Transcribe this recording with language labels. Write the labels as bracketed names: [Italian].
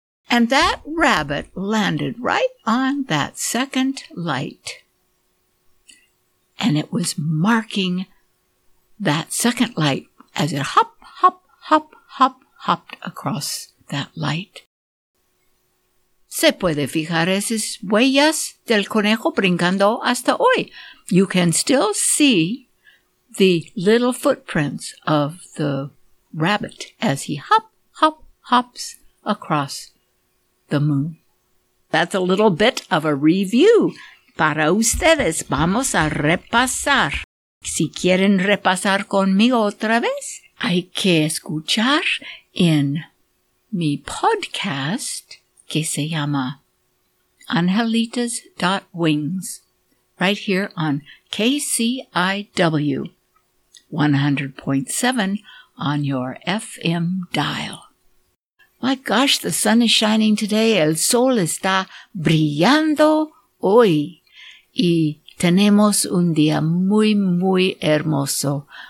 [English] And that rabbit landed right on that second light, and it was marking that second light as it hop, hop, hop, hop, hopped across that light. [Spanish] ¿Se puede fijar esas huellas del conejo brincando hasta hoy? [English] You can still see the little footprints of the rabbit as he hop, hop, hops across the moon. That's a little bit of a review. [Spanish] Para ustedes, vamos a repasar. Si quieren repasar conmigo otra vez, hay que escuchar en mi podcast que se llama Angelitas.Wings. [English] Right here on KCIW 100.7 on your FM dial. My gosh, the sun is shining today. [Spanish] El sol está brillando hoy. Y tenemos un día muy, muy hermoso.